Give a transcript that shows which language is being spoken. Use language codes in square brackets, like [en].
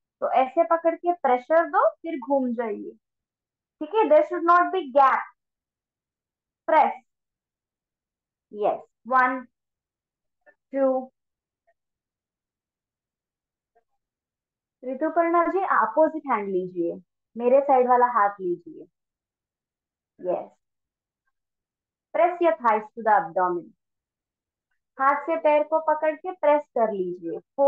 [hi] तो ऐसे पकड़ के प्रेशर दो, फिर घूम जाइए. ठीक है, [en] There should not be gap. Press. Yes. 1, 2. [hi] Rituparna ji opposite hand लीजिए, मेरे साइड वाला हाथ लीजिए. [en] Yes. Press your thighs to the abdomen. [hi] हाथ से पैर को पकड़ के प्रेस कर लीजिए.